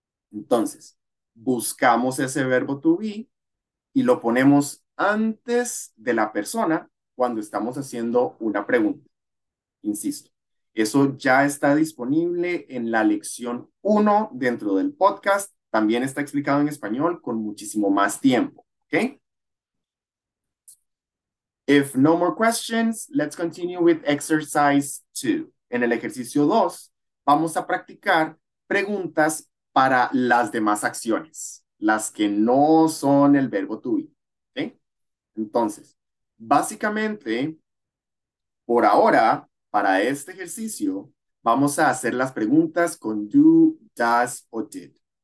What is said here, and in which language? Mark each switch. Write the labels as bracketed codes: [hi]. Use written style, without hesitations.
[es] Entonces, buscamos ese verbo to be y lo ponemos antes de la persona cuando estamos haciendo una pregunta. Insisto, eso ya está disponible en la lección 1 dentro del podcast. También está explicado en español con muchísimo más tiempo. ¿Okay? [en] If no more questions, let's continue with exercise 2. [es] En el ejercicio 2, vamos a practicar preguntas para las demás acciones, las que no son el verbo to be. ¿Okay? Entonces, básicamente, por ahora, para este ejercicio, vamos a hacer las preguntas con do, does o did.